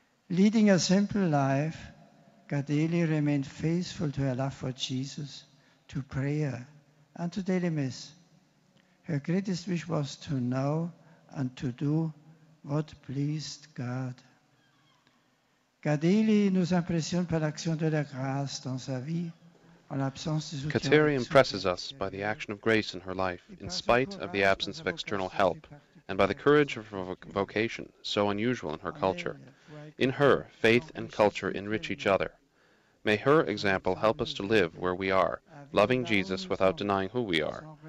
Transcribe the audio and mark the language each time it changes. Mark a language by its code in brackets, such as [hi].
[en] Leading a simple life, Gadeli remained faithful to her love for Jesus, to prayer, and to daily mass. Her greatest wish was to know and to do what pleased God. [fr] Gadeli nous impressionne par l'action de la grâce dans sa vie, en l'absence de soutien. [en] Kateri impresses us by the action of grace in her life, in spite of the absence of external help, and by the courage of her vocation, so unusual in her culture. In her, faith and culture enrich each other. May her example help us to live where we are, loving Jesus without denying who we are.